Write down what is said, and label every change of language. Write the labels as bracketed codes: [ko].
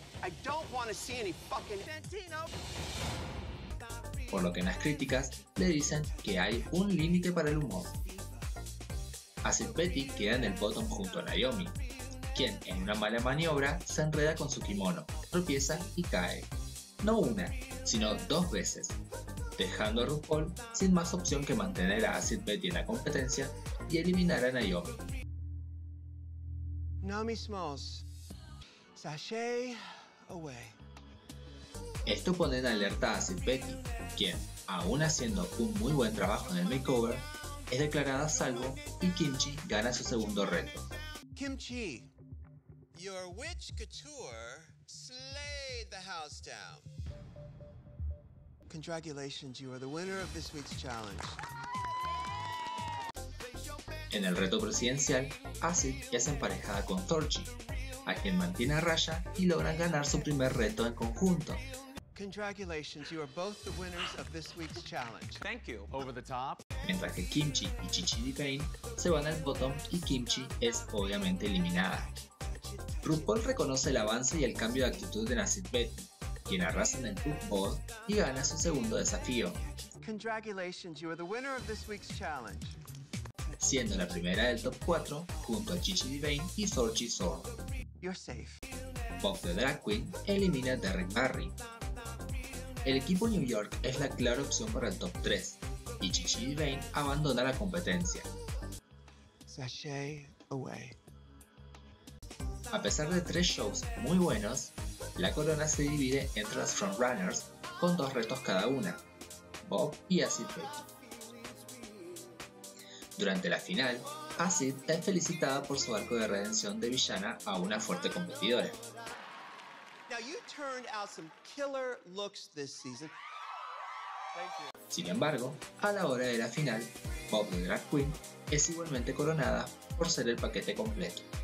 [en] I don't want to see any fucking Santino. [es] Por lo que en las críticas le dicen que hay un límite para el humor. Acid Betty queda en el bottom junto a Naomi, quien en una mala maniobra se enreda con su kimono, tropieza y cae. No una, sino dos veces, dejando a RuPaul sin más opción que mantener a Acid Betty en la competencia y eliminar a Naomi. [en] Naomi Smalls, sashay away. [es] Esto pone en alerta a Acid Betty, quien, aún haciendo un muy buen trabajo en el makeover, es declarada a salvo y Kimchi gana su segundo reto. [en] Kimchi, your witch couture slayed the house down. Congratulations, you are the winner of this week's challenge. [es] En el reto presidencial, Acid es emparejada con Torchy, a quien mantiene a raya y logran ganar su primer reto en conjunto. [en] Congratulations, you are both the winners of this week's challenge. Thank you. Over the top. [es] Mientras que Kimchi y Chichi Di Pain se van al bottom y Kimchi es obviamente eliminada. RuPaul reconoce el avance y el cambio de actitud de Acid Betty, quien arrasa en el Tug Ball y gana su segundo desafío. [en] Congratulations, you are the winner of this week's challenge. [es] Siendo la primera del top 4 junto a Chichi Di Pain y Sorgy Sor. [en] You're safe. [es] Bob the Drag Queen elimina a Derrick Barry. El equipo New York es la clara opción para el top 3, y Chichi Di Pain abandona la competencia. [en] Sashay away. [es] A pesar de tres shows muy buenos, la corona se divide entre las frontrunners con dos retos cada una, Bob y Acid Betty. Durante la final, Acid es felicitada por su arco de redención de villana a una fuerte competidora. [en] Now you turned out some killer looks this season. Thank you. [es] Sin embargo, a la hora de la final, Bob the Drag Queen es igualmente coronada por ser el paquete completo.